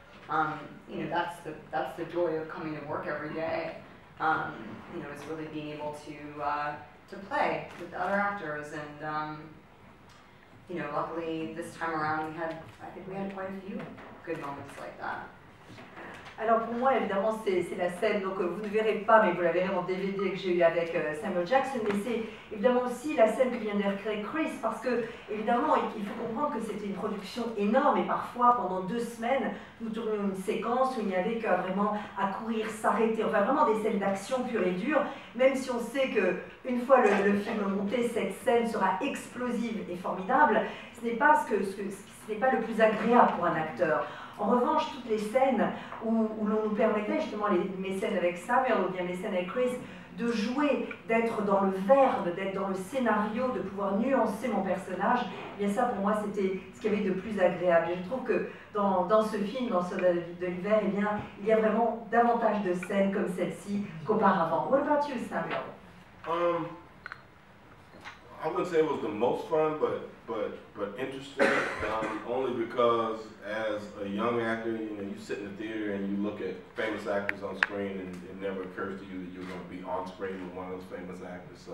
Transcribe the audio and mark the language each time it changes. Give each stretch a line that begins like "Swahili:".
English: You know, that's the joy of coming to work every day. You know, it's really being able to play with other actors, and you know, luckily this time around I think we had quite a few good moments like that.
French: Alors pour moi, évidemment, c'est la scène donc vous ne verrez pas, mais vous la verrez en DVD que j'ai eu avec Samuel Jackson. Mais c'est évidemment aussi la scène que vient de recréer Chris, parce que évidemment, il faut comprendre que c'était une production énorme, et parfois pendant 2 semaines, nous tournions une séquence où il n'y avait qu'à vraiment à courir, s'arrêter, enfin vraiment des scènes d'action pure et dure. Même si on sait que une fois le film monté, cette scène sera explosive et formidable, ce n'est pas le plus agréable pour un acteur. En revanche, toutes les scènes où l'on nous permettait, justement mes scènes avec Samuel ou bien mes scènes avec Chris, de jouer, d'être dans le verbe, d'être dans le scénario, de pouvoir nuancer mon personnage, et bien ça pour moi c'était ce qu'il y avait de plus agréable. Et je trouve que dans ce film, dans ce de l'hiver, eh bien, il y a vraiment davantage de scènes comme celle-ci qu'auparavant.
English: What about you, Samuel? I wouldn't say it was the most fun, but interesting, only because as a young actor, you know, you sit in the theater and you look at famous actors on screen, and it never occurs to you that you're going to be on screen with one of those famous actors.